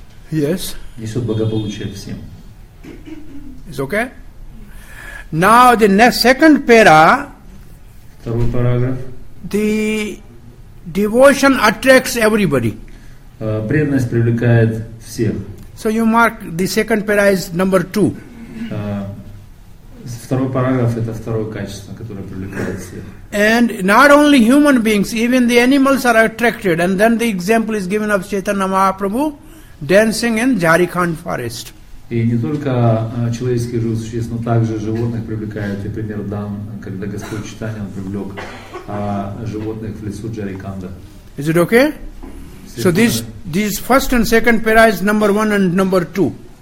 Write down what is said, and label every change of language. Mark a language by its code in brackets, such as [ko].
[en] Yes. [ru] Несет благополучие всем. [en] It's okay. Now the next second para. [ru] Второй параграф. [en] The devotion attracts everybody. [ru] Преданность привлекает всех. [en] So you mark the second para is number two. [ru] Второй параграф это второе качество, которое привлекает всех. [en] And not only human beings, even the animals are attracted. And then the example is given of Chaitanya Mahaprabhu dancing in Jharkhand forest. [ru] И не только человеческие живые существа, но также животных привлекают. И пример дан, когда Господь Читания привлек животных в лесу Джариканда. [en] Is it okay? So these first and second para is number one and number two.